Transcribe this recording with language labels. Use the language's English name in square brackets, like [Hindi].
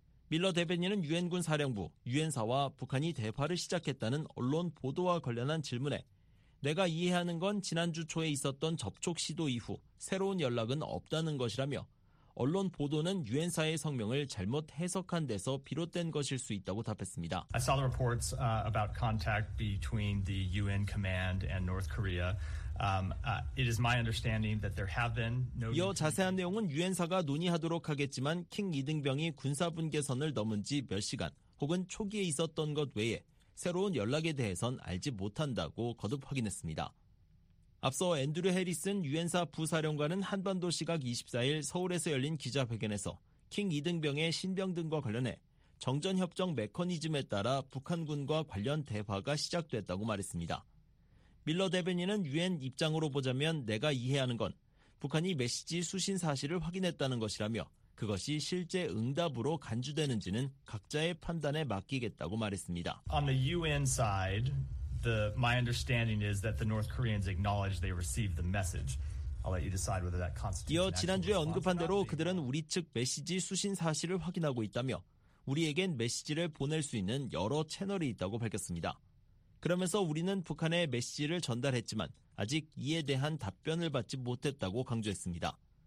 [Korean] 밀러 대변인은 유엔군 사령부, 유엔사와 북한이 대화를 시작했다는 언론 보도와 관련한 질문에 내가 이해하는 건 지난주 초에 있었던 접촉 시도 이후 새로운 연락은 없다는 것이라며 언론 보도는 유엔사의 성명을 잘못 해석한 데서 비롯된 것일 수 있다고 답했습니다. [English] I saw the reports about contact between the UN command and North Korea. It is my understanding that there have been no. [Korean] 이어 자세한 내용은 유엔사가 논의하도록 하겠지만 킹 이등병이 군사 분계선을 넘은 지 몇 시간 혹은 초기에 있었던 것 외에 새로운 연락에 대해선 알지 못한다고 거듭 확인했습니다. 앞서 앤드류 해리슨 유엔사 부사령관은 한반도 시각 24일 서울에서 열린 기자회견에서 킹 이등병의 신병 등과 관련해 정전협정 메커니즘에 따라 북한군과 관련 대화가 시작됐다고 말했습니다. 밀러 대변인은 유엔 입장으로 보자면 내가 이해하는 건 북한이 메시지 수신 사실을 확인했다는 것이라며 그것이 실제 응답으로 간주되는지는 각자의 판단에 맡기겠다고 말했습니다. [English] On the UN side, my understanding is that the North Koreans acknowledge they received the message. I'll let you decide whether that constitutes. [Korean] 이어 지난주에 언급한 대로 그들은 우리 측 메시지 수신 사실을 확인하고 있다며 우리에겐 메시지를 보낼 수 있는 여러 채널이 있다고 밝혔습니다. 그러면서 우리는 북한에 메시지를 전달했지만 아직 이에 대한 답변을 받지 못했다고 강조했습니다.